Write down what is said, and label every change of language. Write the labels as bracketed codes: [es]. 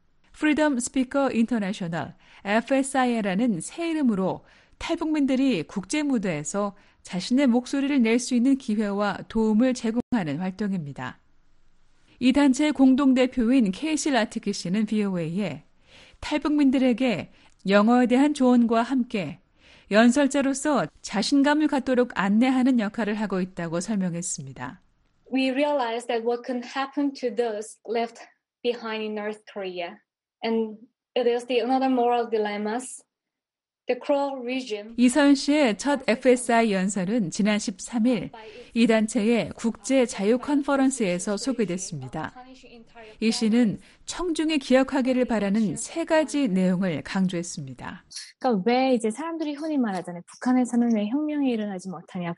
[ko] Freedom Speaker International, FSIA라는 새 이름으로 탈북민들이 국제 무대에서 자신의 목소리를 낼 수 있는 기회와 도움을 제공하는 활동입니다. 이 단체의 공동대표인 케이시 라티키 씨는 VOA에 탈북민들에게 영어에 대한 조언과 함께 연설자로서 자신감을 갖도록 안내하는 역할을 하고 있다고 설명했습니다. [en] We realized that what can happen to those left behind in North Korea, and it is the another moral dilemmas [ko] 이서연 씨의 첫 FSI 연설은 지난 13일 이 단체의 국제 자유 컨퍼런스에서 소개됐습니다. 이 씨는 청중이 기억하기를 바라는 세 가지 내용을 강조했습니다. 그러니까 왜 이제 사람들이 흔히 말하잖아요. 북한에서는 왜 혁명이 일어나지 못하냐.